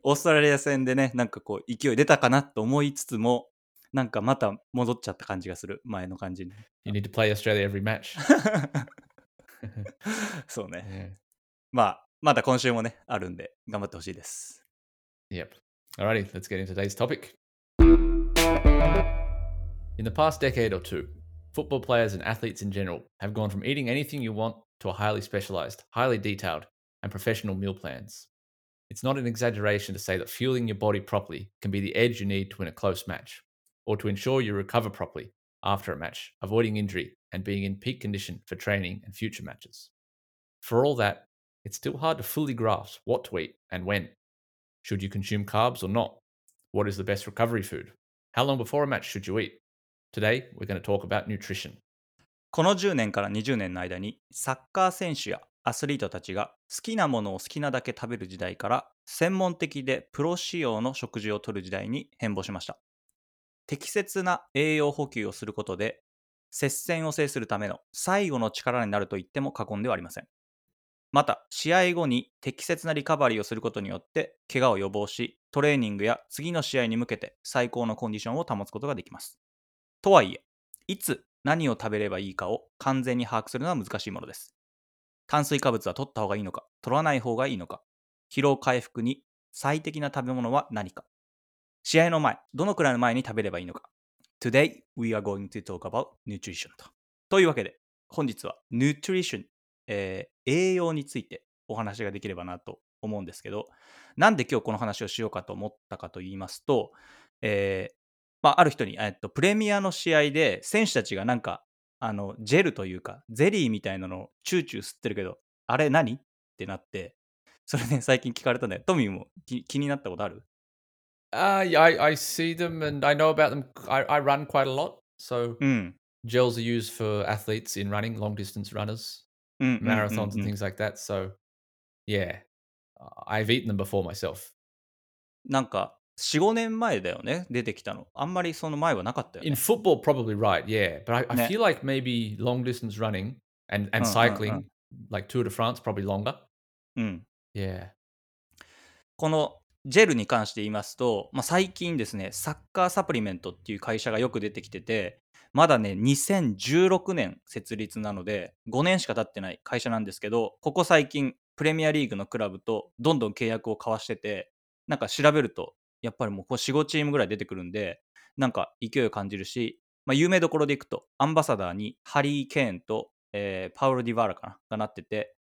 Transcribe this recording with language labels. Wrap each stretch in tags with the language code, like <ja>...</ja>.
<ja>オーストラリア戦でね、なんかこう勢い出たかなと思いつつも、なんかまた戻っちゃった感じがする、前の感じに。</ja> <en>You need to play Australia every match.</en> <ja>そうね。</ja> <en>Yeah.</en> <ja>まあ、まだ今週もね、あるんで、頑張ってほしいです。</ja> <en>Yep. Alrighty, let's get into today's topic. In the past decade or two, football players and athletes in general have gone from eating anything you want to a highly specialized, highly detailed, and professional meal plans. It's not an exaggeration to say that fueling your body properly can be the edge you need to win a close match, or to ensure you recover properly after a match, avoiding injury, and being in peak condition for training and future matches. For all that, it's still hard to fully grasp what to eat and when. Should you consume carbs or not? What is the best recovery food? How long before a match should you eat? Today, we're going to talk about nutrition.</en> <ja>この10年から20年の間にサッカー選手やアスリートたちが好きなものを好きなだけ食べる時代から専門的でプロ仕様の食事をとる時代に変貌しました。適切な栄養補給をすることで接戦を制するための最後の力になると言っても過言ではありません。また試合後に適切なリカバリーをすることによって怪我を予防し、トレーニングや次の試合に向けて最高のコンディションを保つことができます。とはいえ、いつ何を食べればいいかを完全に把握するのは難しいものです。炭水化物は取った方がいいのか、取らない方がいいのか、疲労回復に最適な食べ物は何か、試合の前、どのくらいの前に食べればいいのか。</ja> <en>Today, we are going to talk about nutrition.</en> <ja>というわけで、本日は nutrition、栄養についてお話ができればなと思うんですけど、なんで今日この話をしようかと思ったかと言いますと、まあ、ある人に、プレミアの試合で選手たちがなんかあのジェルというかゼリーみたいなのをチューチュー吸ってるけど、あれ何ってなって、それね、最近聞かれたんだよ。トミーも気になったことある？</ja> <en>Yeah, I see them and I know about them. I run quite a lot. So, gels are used for athletes in running, long distance runners, marathons and things like that. So, yeah, I've eaten them before myself.</en> <ja>なんか4、5年前だよね、出てきたの。あんまりその前はなかったよね。</ja> <en>In football, probably right, yeah. But I、ね、feel like maybe long distance running and cycling, like Tour de France, probably longer. Yeah.</en> <ja>このジェルに関して言いますと、まあ、最近ですね、サッカーサプリメントっていう会社がよく出てきてて、まだね、2016年設立なので、5年しか経ってない会社なんですけど、ここ最近、プレミアリーグのクラブとどんどん契約を交わしてて、なんか調べると、やっぱりもう 4,5 チームぐらい出てくるんで、なんか勢いを感じるし、まあ、有名どころでいくとアンバサダーにハリー・ケーンと、パウロ・ディバーラかながなってて、</ja>